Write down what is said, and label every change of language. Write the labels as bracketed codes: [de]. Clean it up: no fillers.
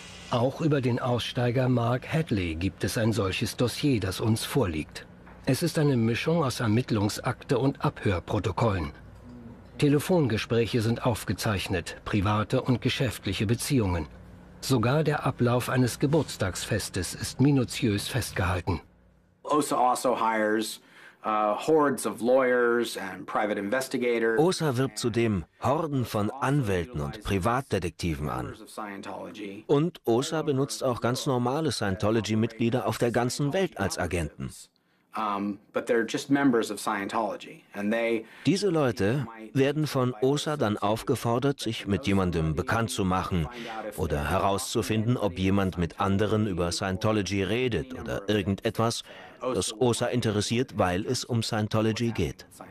[de] Auch über den Aussteiger Mark Hadley gibt es ein solches Dossier, das uns vorliegt. Es ist eine Mischung aus Ermittlungsakte und Abhörprotokollen. Telefongespräche sind aufgezeichnet, private und geschäftliche Beziehungen. Sogar der Ablauf eines Geburtstagsfestes ist minutiös festgehalten. [en] OSA also hires hordes of lawyers and private investigators. [de] OSA wirbt zudem Horden von Anwälten und Privatdetektiven an. Und OSA benutzt auch ganz normale Scientology-Mitglieder auf der ganzen Welt als Agenten. [en] But they're just members of Scientology, and they. [de] Diese Leute werden von OSA dann aufgefordert, sich mit jemandem bekannt zu machen oder herauszufinden, ob jemand mit anderen über Scientology redet oder irgendetwas, das OSA interessiert, weil es um Scientology geht.